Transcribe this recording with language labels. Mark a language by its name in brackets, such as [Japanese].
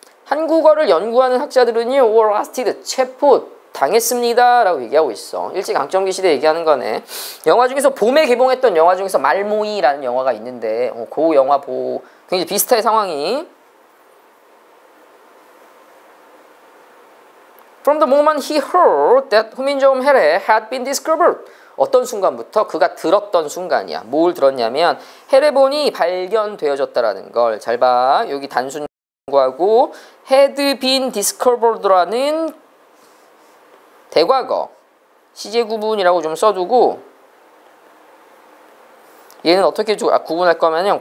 [Korean] 한국어를 연구하는 학자들은요. [English] Were arrested, 체포. [Korean] 당했습니다 라고 얘기하고 있어. 일제강점기 시대 얘기하는 거네. 영화 중에서 봄에 개봉했던 영화 중에서 말모이라는 영화가 있는데 그 영화 보 굉장히 비슷해 상황이. [English] From the moment he heard that 훈민정음 헤레 had been discovered. [Korean] 어떤 순간부터 그가 들었던 순간이야. 뭘 들었냐면 헤레본이 발견되어졌다라는 걸. 잘 봐. 여기 단순 구하고 [English] had been discovered [Korean] 라는 대과거, 시제 구분이라고 좀 써두고 얘는 어떻게 구분할 거면요.